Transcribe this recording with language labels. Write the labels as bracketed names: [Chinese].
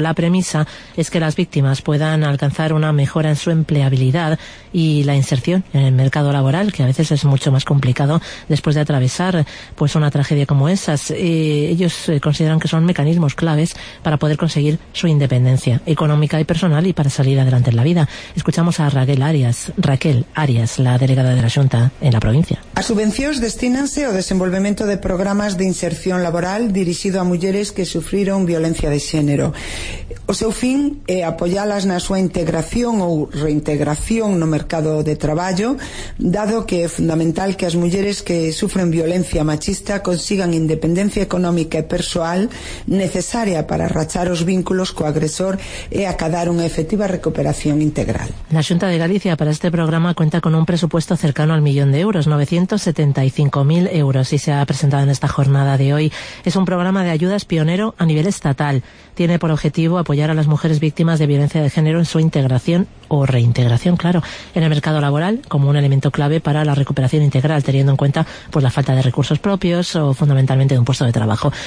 [Spanish] La premisa es que las víctimas puedan alcanzar una mejora en su empleabilidad y la inserción en el mercado laboral, que a veces es mucho más complicado después de atravesar pues una tragedia como esas. Ellos consideran que son mecanismos claves para poder conseguir su independencia económica y personal y para salir adelante en la vida. Escuchamos a Raquel Arias, la delegada de la Xunta en la provincia. [Galician] As subvencións destínanse ao desenvolvemento de programas de inserción laboral dirixido a mulleres que sufriron violencia de xénero. O seu fin é apoiálas na súa integración ou reintegración no mercado de traballo, dado que é fundamental que as mulleres que sufren violencia machista consigan independencia económica e persoal necesaria para rachar os vínculos co agresor e acadar unha efectiva recuperación integral. [Spanish] La Xunta de Galicia para este programa cuenta con un presupuesto cercano al 1 000 000 de euros, 975.000 euros, y se ha presentado en esta jornada de hoy. Es un programa de ayudas pionero a nivel estatal. Tiene por objetivo apoyar a las mujeres víctimas de violencia de género en su integración o reintegración, claro, en el mercado laboral, como un elemento clave para la recuperación integral, teniendo en cuenta pues la falta de recursos propios o fundamentalmente de un puesto de trabajo.